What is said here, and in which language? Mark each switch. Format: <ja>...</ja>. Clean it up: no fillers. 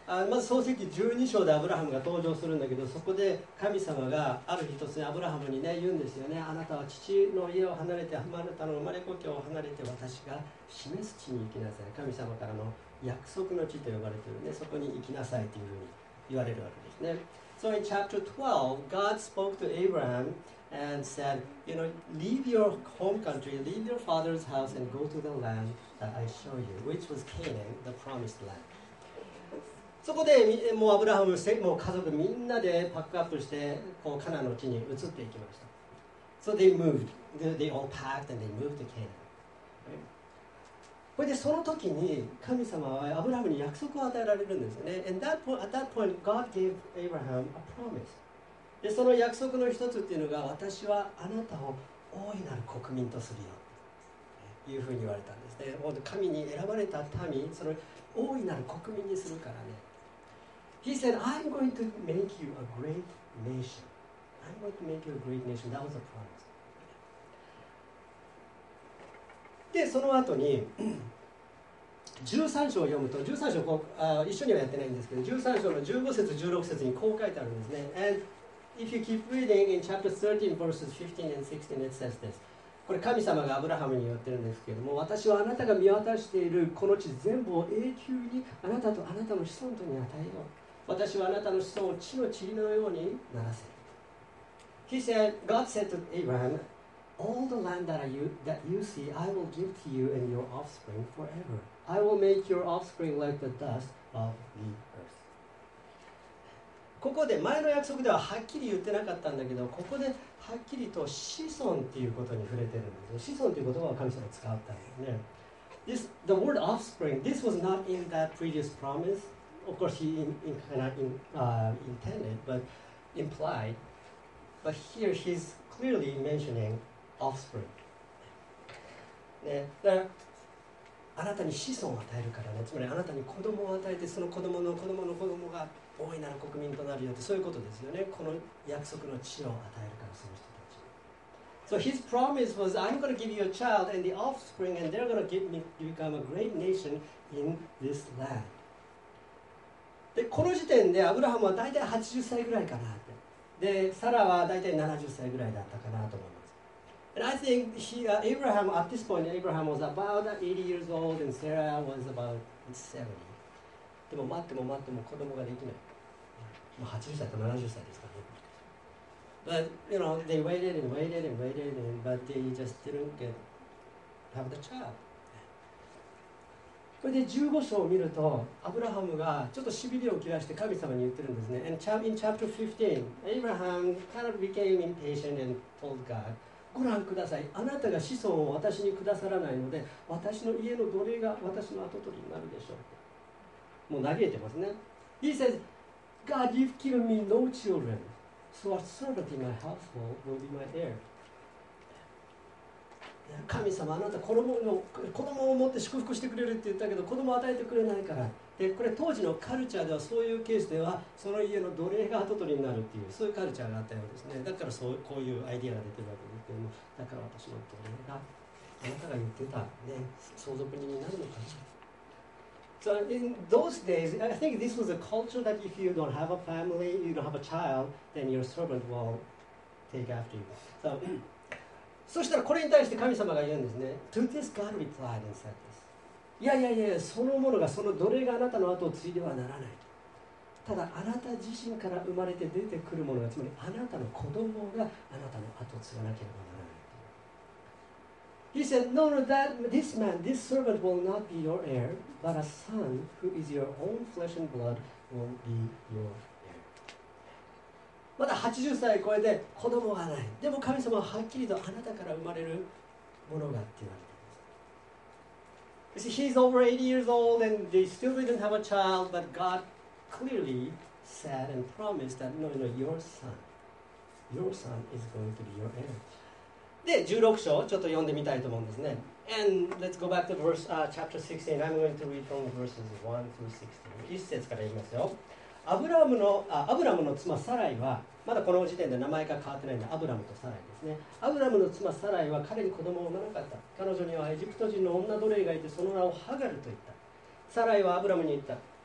<ja>まず創世記12章でアブラハムが登場するんだけど、そこで神様がある日突然アブラハムにね言うんですよね。あなたは父の家を離れて、あなたの生まれ故郷を離れて、私が示す地に行きなさい。神様からの約束の地と呼ばれているね、そこに行きなさいというふうに言われるわけですね。</ja> <en>So in chapter 12, God spoke to Abraham and said, you know, leave your home country, leave your father's house and go to the land that I show you, which was Canaan, the promised land.</en> <ja>そこでもうアブラハム、もう家族みんなでパックアップして、こうカナンの地に移っていきました。</ja> <en>So they moved. They all packed and they moved to Canaan.</en> <ja>これでその時に神様はアブラハムに約束を与えられるんですよね。</ja> <en>And that point, at that point, God gave Abraham a promise.</en> <ja>で、その約束の一つっていうのが、私はあなたを大いなる国民とするよ。というふうに言われたんですね。神に選ばれた民、その大いなる国民にするからね。</ja> <en>He said, I'm going to make you a great nation. I'm going to make you a great nation. That was a promise.</en> <ja>で、その後に、13章を読むと、13章こう、一緒にはやってないんですけど、13章の15節、16節にこう書いてあるんですね。</ja> <en>And if you keep reading in chapter 13, verses 15 and 16, it says this.</en> <ja>これ神様がアブラハムに言ってるんですけれども、私はあなたが見渡しているこの地全部を永久にあなたとあなたの子孫とに与えよう。私はあなたの子孫を地の塵のようにならせる。</ja> <en>He said, God said to Abraham, All the land that you see, I will give to you and your offspring forever. I will make your offspring like the dust of the earth.</en> <ja>ここで前の約束でははっきり言ってなかったんだけど、ここではっきりと子孫っていうことに触れてるんですよ。子孫っていう言葉を神様使ったんですね。</ja> <en>This, the word offspring, this was not in that previous promise. Of course, he intended, but implied. But here, he's clearly mentioning offspring.</en> <ja>ね、だからあなたに子孫を与えるからね。つまりあなたに子供を与えて、その子供の子供の子供が大いなる国民となるよって、そういうことですよね。この約束の地を与えるから、その人たち。</ja> <en>So his promise was, I'm going to give you a child and the offspring, and they're going to become a great nation in this land.</en> <ja>で、この時点でアブラハムは大体80歳ぐらいかなって。で、サラは大体70歳ぐらいだったかなと思います。</ja> <en>And I think Abraham, at this point, Abraham was about 80 years old and Sarah was about 70.</en> <ja>でも待っても待っても子供ができない。もう80歳と70歳ですからね。</ja> <en>But, you know, they waited and waited and waited and, but they just didn't get, have the child.</en> <ja>これで15章を見ると、アブラハムがちょっとしびれを切らして神様に言ってるんですね。</ja> <en>And in chapter 15, Abraham kind of became impatient and told God,</en> <ja>ご覧ください。あなたが子孫を私にくださらないので、私の家の奴隷が私の跡取りになるでしょう。もう嘆いてますね。</ja> <en>He says, God, you've given me no children, so a servant in my household will be my heir.</en> <ja>神様、あなた子供を持って祝福してくれるって言ったけど、子供を与えてくれないから。で、これ当時のカルチャーでは、そういうケースでは、その家の奴隷が跡取りになるっていう、そういうカルチャーがあったようですね。だからそう、こういうアイデアが出てるわけですけども、だから私の奴隷が、あなたが言ってた、ね、相続人になるのかな。</ja> <en>So in those days, I think this was a culture that if you don't have a family, you don't have a child, then your servant will take after you.</en> <ja>So, そしたらこれに対して神様が言うんですね。</ja> <en>To this God replied and said this.</en> <ja>いや、そのものが、その奴隷があなたの後を継いではならない。ただあなた自身から生まれて出てくるものが、つまりあなたの子供があなたの後を継がなければならない。</ja> <en>He said, no, no, that, this man, this servant will not be your heir, but a son who is your own flesh and blood will be your heir.</en> <ja>まだ80歳超えて子供がない。でも神様ははっきりとあなたから生まれるものがって言われています。</ja> <en>You see, he's over 80 years old and they still didn't have a child, but God clearly said and promised that, no, no, your son is going to be your heir.</en> <ja>で、16章ちょっと読んでみたいと思うんですね。</ja> <en>And let's go back to verse, chapter 16. I'm going to read from verses 1 through 16.</en> <ja>1節から言いますよ。アブラムの妻サライは、まだこの時点で名前が変わってないんで、アブラムとサライですね。アブラムの妻サライは彼に子供を産まなかった。彼女にはエジプト人の女奴隷がいて、その名をハガルと言った。サライはアブラムに言った。</ja>